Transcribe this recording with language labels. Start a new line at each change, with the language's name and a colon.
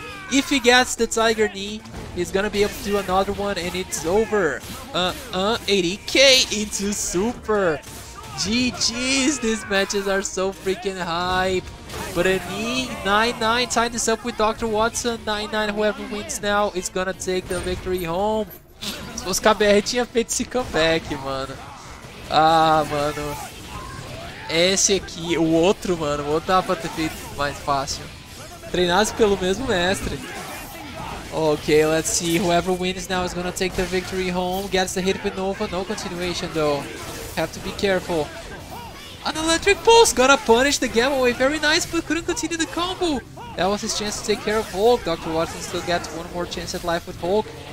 English: If he gets the Tiger Knee, he's gonna be able to do another one, and it's over. 80k into Super. GG's, these matches are so freaking hype. Brenin, 9-9, tied this up with Dr. Watson. 9-9, whoever wins now is gonna take the victory home.
Portuguese: Se fosse KBR, tinha feito esse comeback, mano. Ah, mano. Esse aqui, o outro, mano. O outro dá pra ter feito mais fácil. Treinados pelo mesmo mestre.
English: Okay, let's see. Whoever wins now is gonna take the victory home. Gets the hit with Nova. No continuation, though. Have to be careful. An electric pulse! Gonna punish the Gamma Wave. Very nice, but couldn't continue the combo. That was his chance to take care of Hulk. Dr. Watson still gets one more chance at life with Hulk.